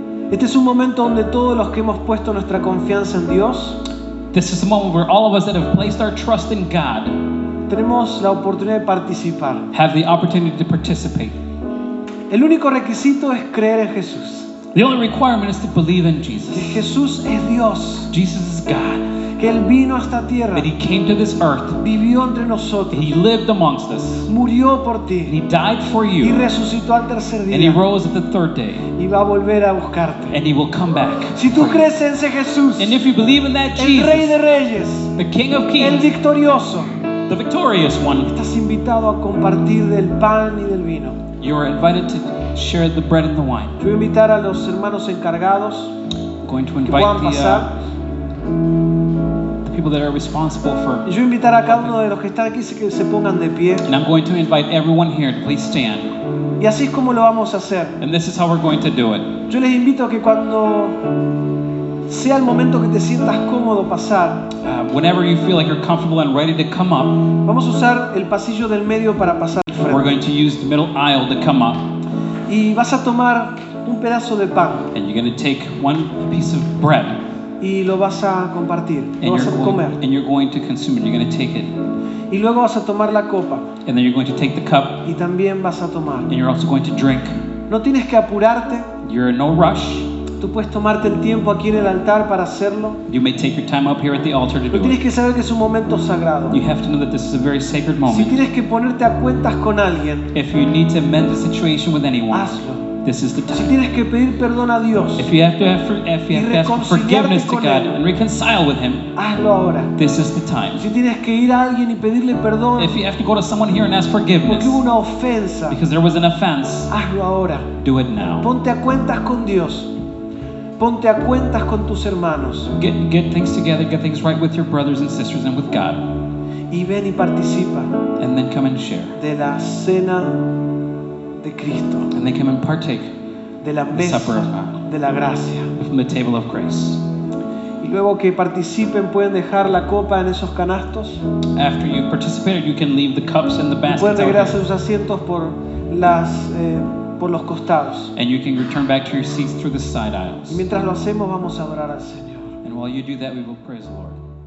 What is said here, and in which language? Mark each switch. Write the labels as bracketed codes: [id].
[es] Este es un momento donde todos los que hemos puesto nuestra confianza en Dios, [en] this is the moment where all of us that have placed our trust in God, [es] tenemos la oportunidad de participar, [en] have the opportunity to participate. [es] El único requisito es creer en Jesús. [en] The only requirement is to believe in Jesus. [es] Que Jesús es Dios. [en] Jesus is God. [es] Que Él vino a esta tierra. [en] That He came to this earth. [es] Vivió entre nosotros. [en] He lived amongst us. [es] Murió por ti. [en] And He died for you. [es] Y resucitó al tercer día. [en] And He rose at the third day. [es] Y va a volver a buscarte. [en] And He will come back. [es] Si tú crees en ese Jesús. [en] And if you believe in that Jesus. [es] El Rey de Reyes. [en] The King of Kings. [es] El Victorioso. [en] The Victorious One. [es] Estás invitado a compartir del pan y del vino. [en] You are invited to share the bread and the wine. [es] Voy a invitar a los hermanos encargados. [en] I'm going to invite the people that are responsible for. [es] Yo voy a invitar a cada uno de los que están aquí que se pongan de pie. [en] And I'm going to invite everyone here to please stand. [es] Y así es como lo vamos a hacer. [en] And this is how we're going to do it. [es] Yo les invito que cuando sea el momento que te sientas cómodo pasar. [en] Whenever you feel like you're comfortable and ready to come up. [es] Vamos a usar el pasillo del medio para pasar. [en] We're going to use the middle aisle to come up. [es] Y vas a tomar un pedazo de pan. [en] And you're going to take one piece of bread. [es] Y lo vas a compartir. Lo vas a comer. [en] And you're going to consume it. You're going to take it. [es] Y luego vas a tomar la copa. [en] And then you're going to take the cup. [es] Y también vas a tomar. [en] And you're also going to drink. [es] No tienes que apurarte. [en] You're in no rush. [es] Tú puedes tomarte el tiempo aquí en el altar para hacerlo. [en] You may take your time up here at the altar to do it. [es] Pero tienes que saber que es un momento sagrado. [en] You have to know that this is a very sacred moment. [es] Si tienes que ponerte a cuentas con alguien, [en] if you need to mend the situation with anyone, [es] hazlo. [en] This is the time. [es] Si tienes que pedir perdón a Dios, [en] if you have to ask for forgiveness to God and reconcile with Him, [es] hazlo ahora. [en] This is the time. [es] Si tienes que ir a alguien y pedirle perdón, [en] if you have to go to someone here and ask forgiveness, [es] porque hubo una ofensa, [en] because there was an offense, [es] hazlo ahora. [en] Do it now. [es] Ponte a cuentas con Dios. Ponte a cuentas con tus hermanos. [en] Get things together, get things right with your brothers and sisters and with God. [es] Y ven y participa. [en] And then come and share. [es] De la cena de Cristo. [en] And then come and partake. [es] De la mesa, [en] the supper of God, [es] de la gracia. [en] From the table of grace. [es] Y luego que participen pueden dejar la copa en esos canastos. [en] After you participate, you can leave the cups in the baskets. [es] Pueden regresar a sus asientos por las por los costados. [en] And you can return back to your seats through the side aisles. [es] Y mientras lo hacemos, vamos a adorar al Señor. [en] And while you do that, we will praise the Lord.